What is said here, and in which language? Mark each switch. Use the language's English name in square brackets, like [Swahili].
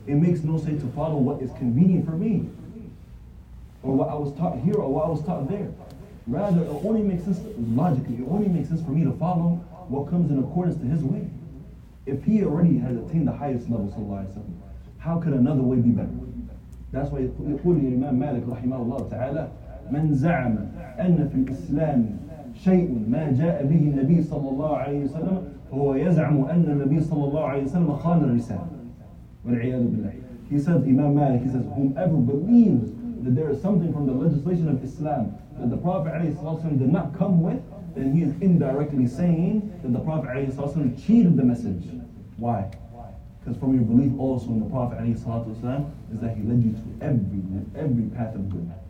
[English] It makes no sense to follow what is convenient for me, or what I was taught here, or what I was taught there. Rather, it only makes sense, logically, it only makes sense for me to follow what comes in accordance to his way. If he already has attained the highest level, sallallahu alayhi wa sallam, how could another way be better? That's why [Arabic] يقول الإمام مالك رحمه الله تعالى من زعم أن في الإسلام شيء ما جاء به النبي صلى الله عليه وسلم هو يزعم أن النبي صلى الله عليه وسلم خان الرسالة والعياذ بالله. [English] He says, Imam Malik, he says, whomever believes that there is something from the legislation of Islam that the Prophet [Arabic] عليه الصلاة والسلام [English] did not come with, then he is indirectly saying that the Prophet عليه الصلاة والسلام cheated the message. Why? Because from your belief also in the Prophet [Arabic] عليه الصلاة والسلام [English] is that he led you to every path of good.